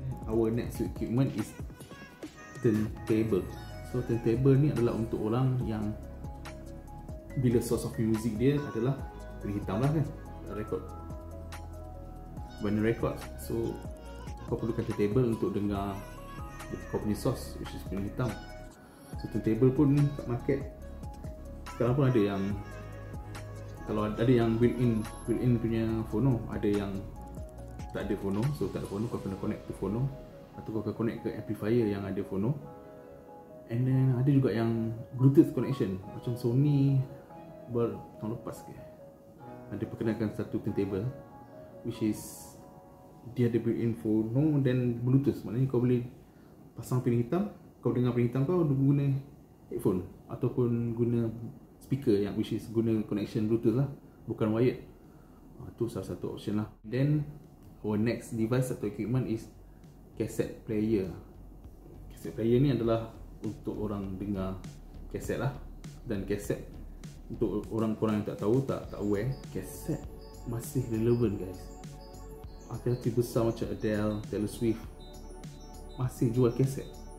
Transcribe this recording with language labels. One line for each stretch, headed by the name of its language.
English: Our next equipment is turntable.
Malay: So turntable ni adalah untuk orang yang bila
English: source of music
Malay: dia adalah hitam lah kan, record, vinyl record. So kau perlukan turntable untuk dengar kau punya source which is vinyl hitam. So turntable pun kat market sekarang pun ada yang, kalau ada yang built-in punya phono, ada yang tak ada phono. So tak ada phono, kau kena
English: connect to phono
Malay: atau kau kena connect ke amplifier yang ada phono. And then ada juga yang Bluetooth connection, macam Sony tahun lepas ke, ada perkenalkan satu turntable which is dia ada built-in phono dan Bluetooth. Maknanya kau boleh pasang pin hitam, kau dengar pin hitam kau guna headphone ataupun guna speaker yang which is guna connection Bluetooth lah, bukan wired. Tu salah satu option lah.
English: Then our next device atau equipment is cassette player.
Malay: Cassette player ni adalah untuk orang dengar cassette lah. Dan cassette, untuk orang-orang yang tak tahu, tak aware, cassette masih relevant guys. Artis-artis besar macam Adele, Taylor Swift masih jual cassette.